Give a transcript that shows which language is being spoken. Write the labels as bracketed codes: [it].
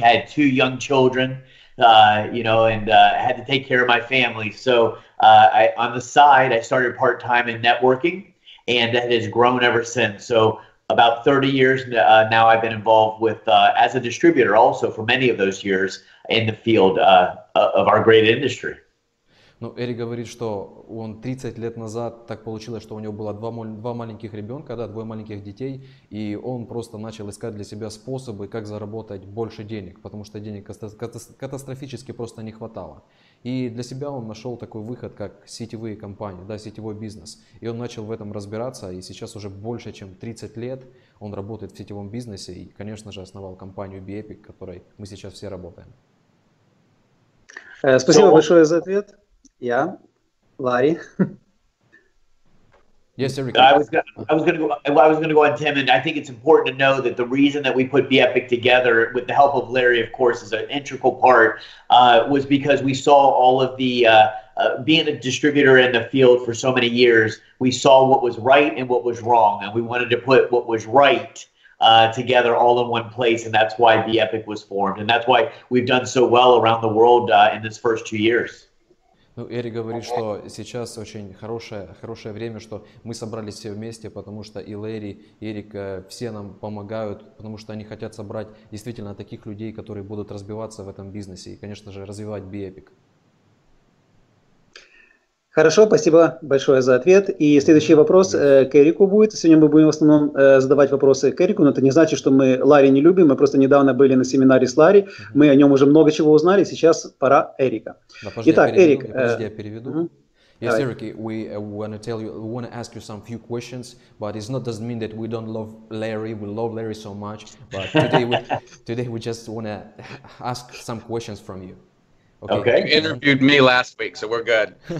[en] I had two young children, I had to take care of my family. So I started part-time in networking. And it has grown ever since. So about 30 years now I've been involved with as a distributor also for many of those years in the field of our great industry. [ru] Ну, Эрик говорит, что он 30 лет назад, так получилось, что у него было два маленьких ребенка, да, двое маленьких детей, и он просто начал искать для себя способы, как заработать больше денег, потому что денег катастрофически просто не хватало. И для себя он нашел такой выход, как сетевые компании, да, сетевой бизнес. И он начал в этом разбираться, и сейчас уже больше, чем 30 лет он работает в сетевом бизнесе, и, конечно же, основал компанию BEPIC, которой мы сейчас все работаем. Спасибо большое за ответ. [en] Yeah, Larry. Yes, Eric. I was gonna go on, Tim, and I think it's important to know that the reason that we put BEPIC together with the help of Larry, of course, is an integral part, was because we saw all of the being a distributor in the field for so many years, we saw what was right and what was wrong, and we wanted to put what was right together all in one place, and that's why BEPIC was formed, and that's why we've done so well around the world in this first 2 years. [ru] Ну, Эрик говорит, что сейчас очень хорошее время, что мы собрались все вместе, потому что и Лэри, и Эрик все нам помогают, потому что они хотят собрать действительно таких людей, которые будут разбиваться в этом бизнесе и, конечно же, развивать BEPIC. Хорошо, спасибо большое за ответ. И следующий вопрос к Эрику будет. Сегодня мы будем в основном задавать вопросы к Эрику, но это не значит, что мы Ларри не любим. Мы просто недавно были на семинаре с Ларри. Мы о нем уже много чего узнали. Сейчас пора Эрика. Итак, Эрик. Подожди, я переведу. [en] Yes, Eric, we want to tell you, we want to ask you some few questions, but it's not doesn't mean that we don't love Larry. We love Larry so much, but today we just want to ask some questions from you. Okay. You interviewed me last week, so we're good.